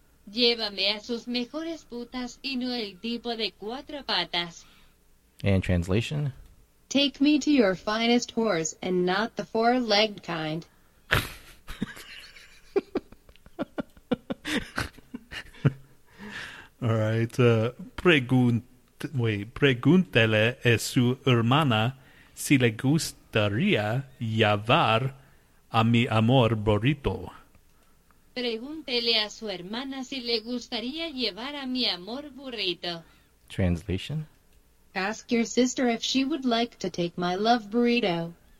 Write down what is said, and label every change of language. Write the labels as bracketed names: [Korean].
[Spanish] Llévame a sus mejores putas y no el tipo de cuatro patas. [English] And translation? Take me to your finest whores and not the four-legged kind. All right. [Spanish] Pregúntele a su hermana si le gustaría llevar a mi amor burrito. Pregúntele a su hermana si le gustaría llevar a mi amor burrito. [English] Translation? Ask your sister if she would like to take my love burrito.